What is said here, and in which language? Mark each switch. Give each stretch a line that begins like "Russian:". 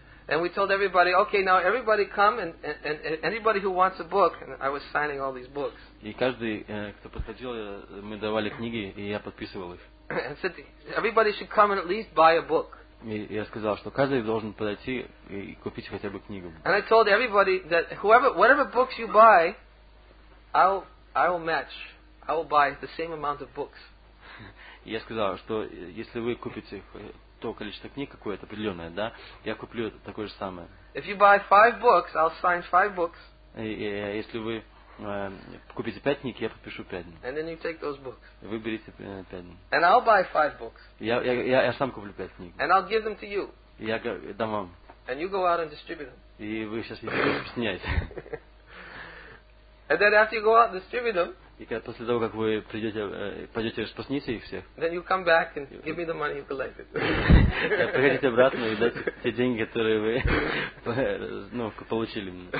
English: And we told everybody, okay, now everybody come and anybody who wants a book, and I was signing all these books.
Russian: И каждый, кто подходил, мы давали книги, и я подписывал их.
English: And said everybody should come and at least buy a book.
Russian: И я сказал, что каждый должен подойти и купить хотя бы книгу.
English: And I told everybody that whatever books you buy, I will match. I will buy the same amount of books.
Russian: Я сказал, что если вы купите то количество книг какое-то определенное, да, я куплю такое же самое.
English: If you buy five books, I'll sign five books.
Russian: Если вы купите пять книг, я подпишу пять.
English: And then you take those books.
Russian: Вы берите пять.
English: And I'll buy five books.
Russian: Я сам куплю пять книг.
English: And I'll give them to you.
Russian: Я дам вам.
English: And you go out and distribute them.
Russian: И вы сейчас их распространяете.
English: And then after you go out and distribute them.
Russian: И когда, после того, как вы придете, пойдете распространить их всех,
English: then you come back and give me the money you collected.
Russian: Приходите обратно и дайте те деньги, которые вы получили.